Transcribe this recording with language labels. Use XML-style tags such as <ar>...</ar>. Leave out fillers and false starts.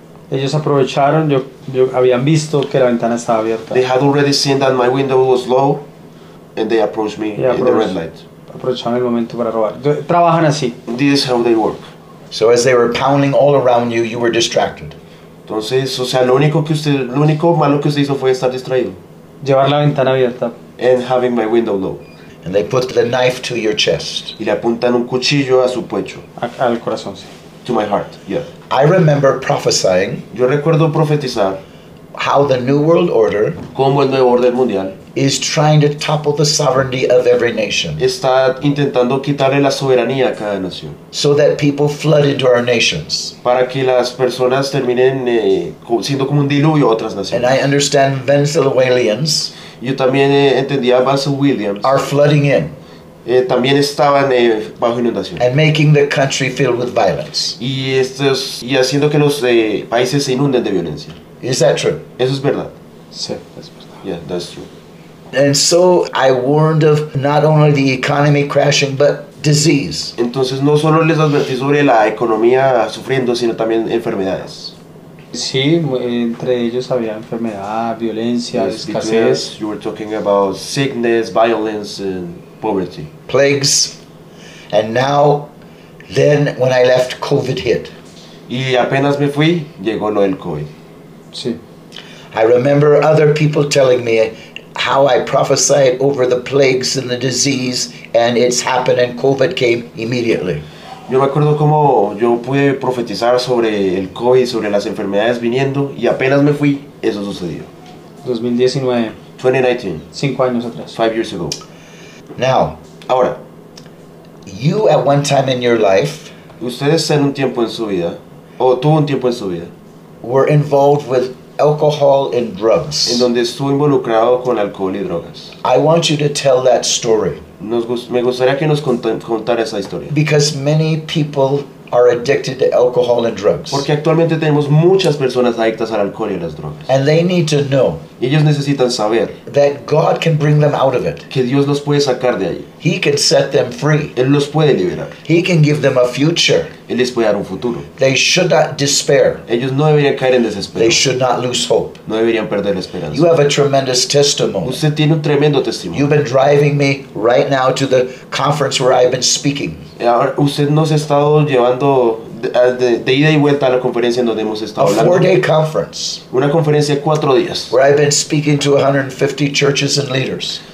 <es>Ellos aprovecharon, yo habían visto que la ventana estaba abierta.</es> <en>They had already seen that my window was low and they approached me in the red light.</en> <es>Aprovecharon el momento para robar. Trabajan así.</es> <en>This is how they work. So as they were pounding all around you, you were distracted.</en> <es>Entonces, o sea, lo único malo que usted hizo fue estar distraído. Llevar la ventana abierta.</es> <en>And having my window low. And they put the knife to your chest.</en> <es>Y le apuntan un cuchillo a su pecho. Al corazón, sí.</es> <en>to my heart. Yeah. I remember prophesying.</en> <es>Yo recuerdo profetizar</es> <en>how the New World Order,</en> <es>como el nuevo orden mundial,</es> <en>is trying to topple the sovereignty of every nation.</en> <es>Está intentando quitarle la soberanía a cada nación.</es> <en>So that people flood into our nations.</en> <es>Para que las personas terminen siendo como un diluvio a otras naciones.</es> <en>And I understand Venezuelans.</en> <es>Yo también entendía a Basil Williams.</es> <en>Are flooding in.</en> <es>También estaban bajo inundación.</es> <en>And making the country filled with violence.</en> <es>Y haciendo que los países se inunden de violencia.</es> <en>Is that true?</en> <es>Eso es verdad. Sí, es verdad.</es> <en>Yeah, that's true. And so I warned of not only the economy crashing, but disease.</en> <es>Entonces no solo les advertí sobre la economía sufriendo, sino también enfermedades. Sí, entre ellos había enfermedad, violencia, yes, escasez.</es> <en>Because you were talking about sickness, violence, and poverty. Plagues. And now, then when I left, COVID hit.</en> <es>Y apenas me fui, llegó lo del COVID. Sí.</es> <en>I remember other people telling me how I prophesied over the plagues and the disease, and it's happened, and COVID came immediately.</en> <es>Yo me acuerdo cómo yo pude profetizar sobre el COVID, sobre las enfermedades viniendo, y apenas me fui, eso sucedió. 2019. 2019. 5 años atrás.</es> <en>5 years ago. Now,</en> <es>ahora,</es> <en>you at one time in your life,</en> <es>ustedes en un tiempo en su vida, o tuvo un tiempo en su vida,</es> <en>were involved with alcohol and drugs.</en> <es>En donde estuvo involucrado con alcohol y drogas.</es> <en>I want you to tell that story.</en> <es>Me gustaría que nos contara esa historia.</es> <en>Because many people are addicted to alcohol and drugs.</en> <es>Porque actualmente tenemos muchas personas adictas al alcohol y a las drogas.</es> <en>And they need to know.</en> <es>Ellos necesitan saber.</es> <en>That God can bring them out of it.</en> <es>Que Dios los puede sacar de allí.</es> <en>He can set them free.</en> <es>Él los puede liberar.</es> <en>He can give them a future.</en> <es>Él les puede dar un futuro.</es> <en>They should not despair.</en> <es>Ellos no deberían caer en desespero.</es> <en>They should not lose hope.</en> <es>No deberían perder la esperanza.</es> <en>You have a tremendous testimony.</en> <es>Usted tiene un tremendo testimonio.</es> <en>You've been driving me right now to the conference where I've been speaking.</en> <es>Usted nos ha estado llevando de ida y vuelta a la conferencia en donde hemos estado hablando.</es> <en>A 4-day conference.</en> <es>Una conferencia de 4 días.</es> <en>Where I've been speaking to 150 churches and leaders.</en>